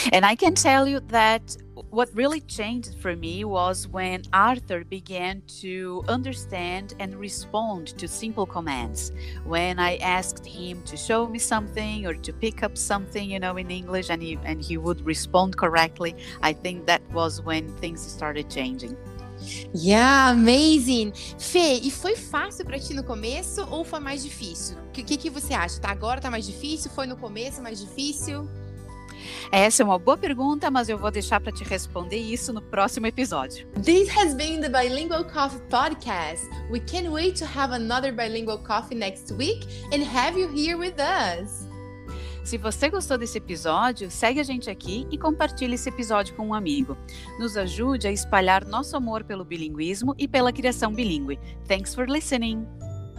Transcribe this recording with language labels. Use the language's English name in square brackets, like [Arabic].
[English] And I can tell you that what really changed for me was when Arthur began to understand and respond to simple commands. When I asked him to show me something or to pick up something, you know, in English, and he would respond correctly, I think that was when things started changing. Yeah, amazing. [Portuguese] Fê, e foi fácil para ti no começo ou foi mais difícil? O que você acha? Tá agora, tá mais difícil? Foi no começo mais difícil? Essa é uma boa pergunta, mas eu vou deixar para te responder isso no próximo episódio. [English] This has been the Bilingual Coffee Podcast. We can't wait to have another Bilingual Coffee next week and have you here with us. [Portuguese] Se você gostou desse episódio, segue a gente aqui e compartilhe esse episódio com um amigo. Nos ajude a espalhar nosso amor pelo bilinguismo e pela criação bilíngue. [English] Thanks for listening!